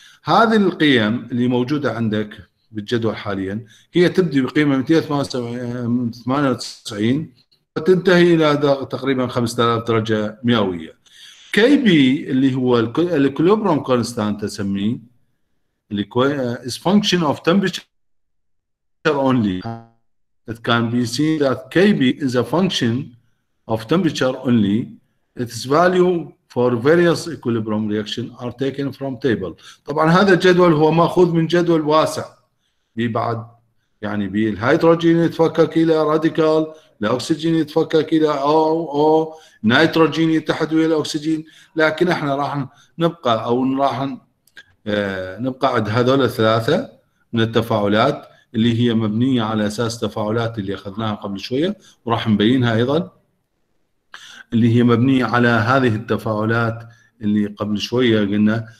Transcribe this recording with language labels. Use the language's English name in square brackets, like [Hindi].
[Arabic] هذه القيم اللي موجودة عندك بالجدول حاليا هي تبدي بقيمة 298 وتنتهي إلى تقريبا 5000 درجة مئوية. كي بي اللي هو الكلوبروم كونستانت تسميه اللي كوي [English] is function of temperature only. It can be seen that KB is a function of temperature only. Its value for various equilibrium reaction are taken from table. [Arabic] طبعا هذا الجدول هو مأخوذ من جدول واسع بعد يعني بالهيدروجين يتفكك الى راديكال، الاكسجين يتفكك الى او نيتروجين يتحد ويا الاكسجين، لكن احنا راح نبقى او راح نبقى عند هذول الثلاثه من التفاعلات اللي هي مبنيه على اساس تفاعلات اللي اخذناها قبل شويه وراح نبينها ايضا، اللي هي مبنيه على هذه التفاعلات اللي قبل شويه قلنا.